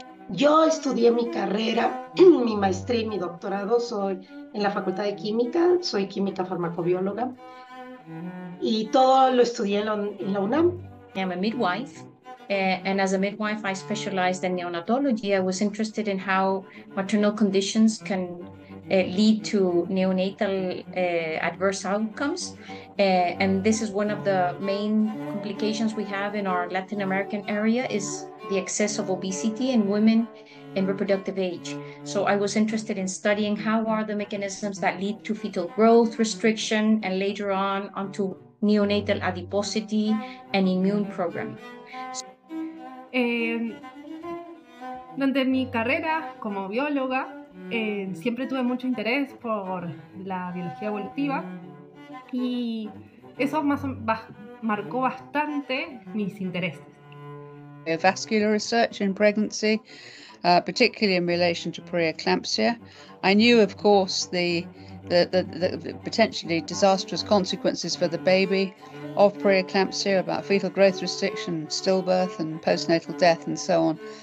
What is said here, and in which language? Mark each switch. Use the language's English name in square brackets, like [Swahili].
[Spanish] Yo estudié mi carrera, mi maestría y mi doctorado soy en la Facultad de Química, soy química farmacobióloga, y todo lo estudié en la UNAM. [English] I'm a midwife, and as a midwife I specialized in neonatology. I was interested in how maternal conditions can lead to neonatal adverse outcomes, and this is one of the main complications we have in our Latin American area is the excess of obesity in women in reproductive age. So I was interested in studying how are the mechanisms that lead to fetal growth restriction and later on to neonatal adiposity and immune programming. [Spanish] Durante mi carrera como bióloga, siempre tuve mucho interés por la biología evolutiva y eso marcó bastante mis intereses. [English] Vascular research in pregnancy, particularly in relation to preeclampsia. I knew, of course, the potentially disastrous consequences for the baby of preeclampsia, about fetal growth restriction, stillbirth and postnatal death and so on.